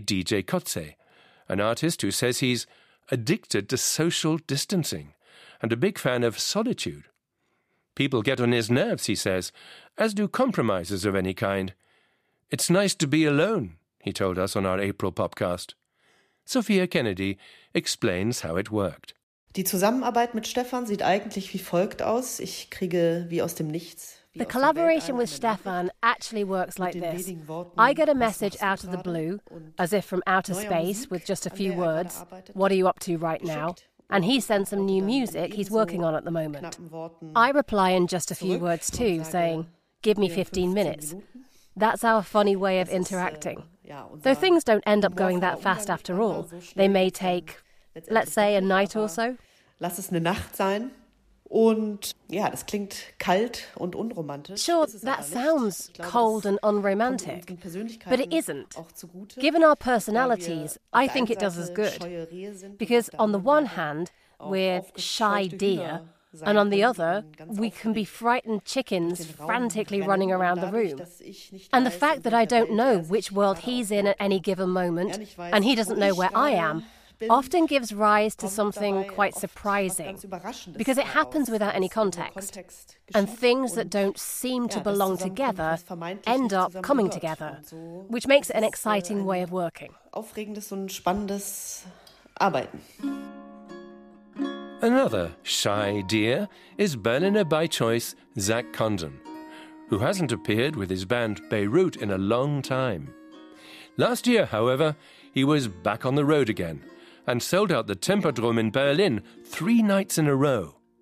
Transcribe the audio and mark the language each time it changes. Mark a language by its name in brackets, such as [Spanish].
[English] DJ Kotze, an artist who says he's addicted to social distancing and a big fan of solitude. People get on his nerves, he says, as do compromises of any kind. It's nice to be alone, he told us on our April podcast. Sophia Kennedy explains how it worked. [German] Die Zusammenarbeit mit Stefan sieht eigentlich wie folgt aus. Ich kriege wie aus dem Nichts. [English] The collaboration with Stefan actually works like this. I get a message out of the blue, as if from outer space, with just a few words. What are you up to right now? And he sends some new music he's working on at the moment. I reply in just a few words too, saying, give me 15 minutes. That's our funny way of interacting. Though things don't end up going that fast after all, they may take, let's say, a night or so. [German] Lass es eine Nacht sein. Und ja, das klingt kalt und unromantisch. [English] Sure, that sounds cold and unromantic, but it isn't. Given our personalities, I think it does us good. Because on the one hand, we're shy deer, and on the other, we can be frightened chickens frantically running around the room. And the fact that I don't know which world he's in at any given moment, and he doesn't know where I am, often gives rise to something quite surprising, because it happens without any context, and things that don't seem to belong together end up coming together, which makes it an exciting way of working. [German] Aufregendes und spannendes Arbeiten. [English] Another shy deer is Berliner by choice Zach Condon, who hasn't appeared with his band Beirut in a long time. Last year, however, he was back on the road again, and sold out the Tempodrom in Berlin 3 nights in a row.